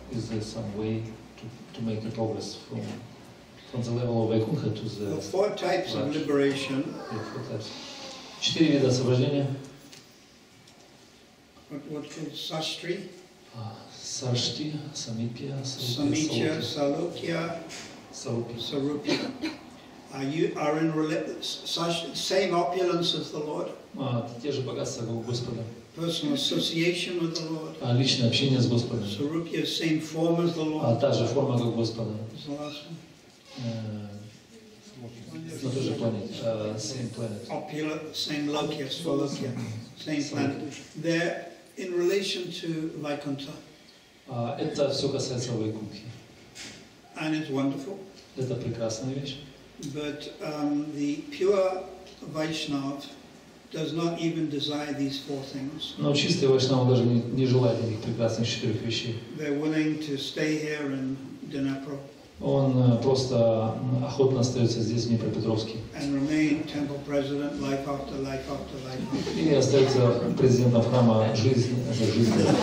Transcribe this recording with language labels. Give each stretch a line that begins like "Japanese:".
English: Is there some way to make a progress from the level of Vaikuntha to the four types of liberation? Yeah, four types.
Russian: Четыре вида освобождения.
English: What called Sastri? Sarshti, Samipya, Samitya, Salokya, Sarupya. Are in same opulence as the Lord?
Russian: Те же богатства как у Господа.
English: Personal association with the Lord.
Russian: Личное общение с Господом.
English: Sarupya, same form as the Lord.
Russian: Та же форма как у Господа.
English: The last one.
Russian: На той же планете,
English: same planet. Opulent, same Lokya, Salokya, same planet. They're in relation to Vaikuntha.
Russian: Это все касается Вайкунхи.
English: And it's wonderful.
Russian: Это прекрасная вещь.
English: But the pure Vaishnav does not even desire these four things.
Russian: Но чистый Вайшнава даже не желает этих прекрасных четырех вещей.
English: They're willing to stay here in Dnepro.
Russian: Он просто охотно остается здесь, в Днепропетровске.
English: And remain temple president life after life after life.
Russian: И остается президентом храма жизнь за жизнь.